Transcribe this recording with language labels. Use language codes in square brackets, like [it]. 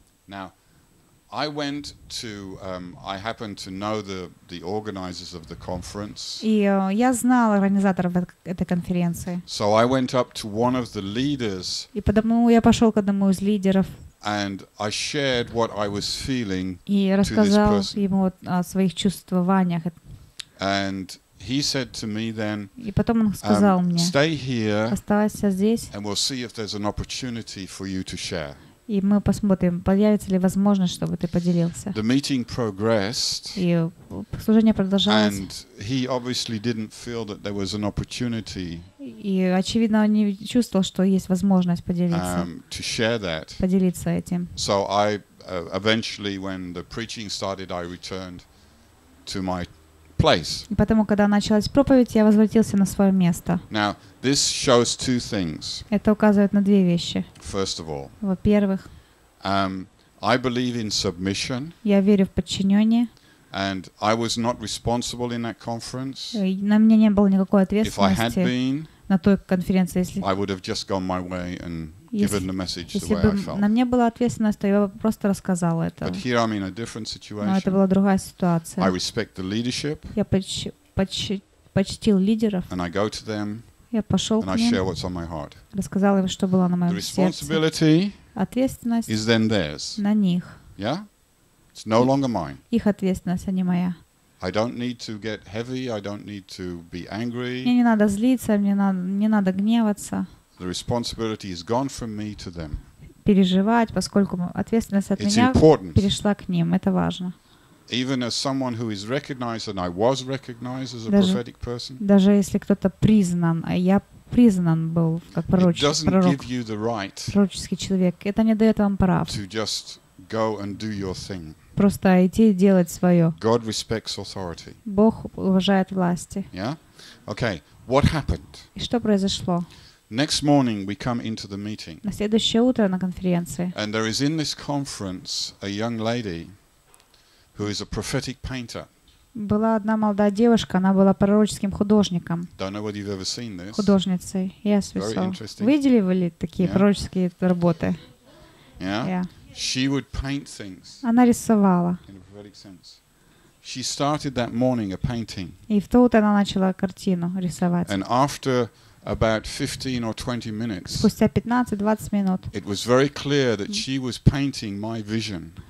[en] Now, I went to I happened to know the organizers of the conference. [ru] И я знал организаторов этой конференции. [en] So I went up to one of the leaders. [ru] И потому я пошёл к одному из лидеров. [en] And I shared what I was feeling. [ru] И рассказал ему о своих чувствованиях. [en] And he said to me then. [ru] И потом он сказал мне. [en] Stay here. [ru] Оставайся здесь. [en] And we'll see if there's an opportunity for you to share. [ru] И мы посмотрим, появится ли возможность, чтобы ты поделился. [en] The meeting progressed. [ru] И служение продолжалось. [en] And he obviously didn't feel that there was an opportunity. [ru] И очевидно, он не чувствовал, что есть возможность поделиться. [en] To share that. [ru] Поделиться этим. [en] So I eventually, when the preaching started, I returned to my place. [ru] И потому, когда началась проповедь, я возвратился на свое место. [en] Now, this shows two things. [ru] Это указывает на две вещи. [en] First of all, [ru] во-первых, [en] I believe in submission. [ru] Я верю в подчинение. [en] And I was not responsible in that conference. [ru] На меня не было никакой ответственности. [en] If I had been, [ru] на той конференции, [en] I would have just gone my way and given the message the way I felt. [ru] Если бы на мне была ответственность, то я бы просто рассказала это. [en] But here I'm in a different situation. [ru] Но это была другая ситуация. [en] I respect the leadership. [ru] Я почтил лидеров. [en] And I go to them. [ru] Я пошел [en] and [ru] к ним. [en] I share what's on my heart. [ru] Рассказал им, что было на моем сердце. [en] The responsibility [ru] ответственность [en] is then theirs. [ru] На них. [en] Yeah? It's no longer mine. [ru] Их ответственность, а не моя. [en] I don't need to get heavy, I don't need to be angry. [ru] Мне не надо злиться, мне не надо гневаться. [en] The responsibility is gone from me to them. [ru] Переживать, поскольку ответственность от [en] It's [ru] меня [en] important. [ru] Перешла к ним, это важно. [en] Even as someone who is recognized and I was recognized as a prophetic person. [ru] Даже если кто-то признан, а я признан был как пророческий человек. пророк, [en] give you the right. [ru] Пророческий человек, это не даёт вам прав. [en] To just go and do your thing. [ru] Просто идти и делать своё. [en] God respects authority. [ru] Бог уважает власти. [en] Yeah? Okay. What happened? [ru] И что произошло? [en] Next morning we come into the meeting. [ru] На следующее утро на конференции. [en] And there is in this conference a young lady who is a prophetic painter. [ru] Была одна молодая девушка, она была пророческим художником. [en] Don't know whether you've ever seen this. [ru] Художницей. [en] Yes, we saw. [ru] Видели вы ли такие пророческие работы? [en] Yeah. She would paint things. [ru] Она рисовала. [en] In a prophetic sense. She started that morning a painting. [ru] И в то утро она начала картину рисовать. [en] And after about 15 or 20 minutes. [ru] Спустя 15-20 минут. [en] It was very clear that she was painting my vision.